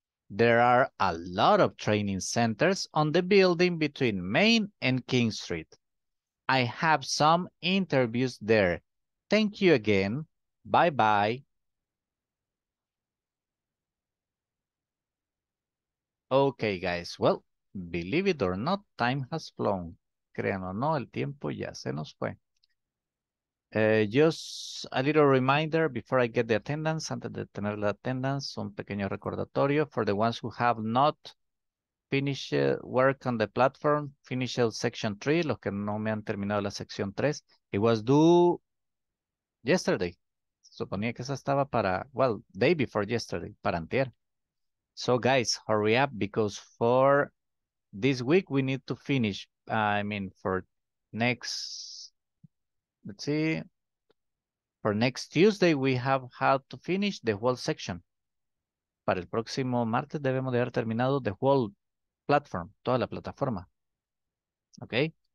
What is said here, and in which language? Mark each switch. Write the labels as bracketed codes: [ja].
[en] There are a lot of training centers on the building between Main and King Street. I have some interviews there. Thank you again. Bye-bye. Okay, guys, well, believe it or not, time has flown. [es] Créanlo, no, el tiempo ya se nos fue. [en] Just a little reminder before I get the attendance, [es] antes de tener la attendance, un pequeño recordatorio [en] for the ones who have not finished work on the platform, finished section 3, [es] los que no me han terminado la sección 3. [en] It was due yesterday. [es] Suponía que esa estaba para, [en] well, day before yesterday, [es] para antier. [en] So guys, hurry up, because for this week, we need to finish. For next Tuesday, we have had to finish the whole section. [es] Para el próximo martes, debemos de haber terminado [en] the whole platform, [es] toda la plataforma. Okay?